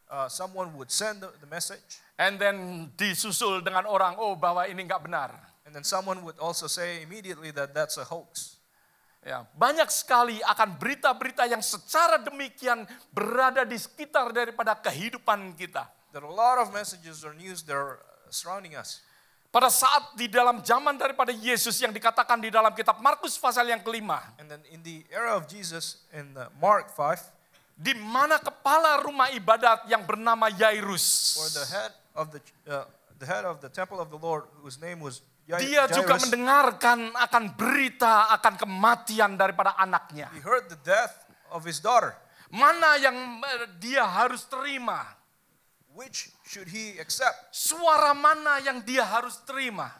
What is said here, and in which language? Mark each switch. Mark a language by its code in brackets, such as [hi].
[en] Someone would send the message. And then [id] disusul dengan orang, oh, bahwa ini enggak benar. [en] And then someone would also say immediately that that's a hoax. [id] Yeah. Banyak sekali akan berita-berita yang secara demikian berada di sekitar daripada kehidupan kita. [en] There are a lot of messages or news there surrounding us. [id] Pada saat di dalam zaman daripada Yesus yang dikatakan di dalam kitab Markus pasal yang kelima. [en] And then in the era of Jesus in the Mark 5, [id] di mana kepala rumah ibadat yang bernama Yairus. [en] Or the head of the head of the temple of the Lord whose name was Yairus. [id] Dia juga mendengarkan akan berita akan kematian daripada anaknya. [en] He heard the death of his daughter. [id] Mana yang dia harus terima? [en] Which should he accept? [id] Suara mana yang dia harus terima?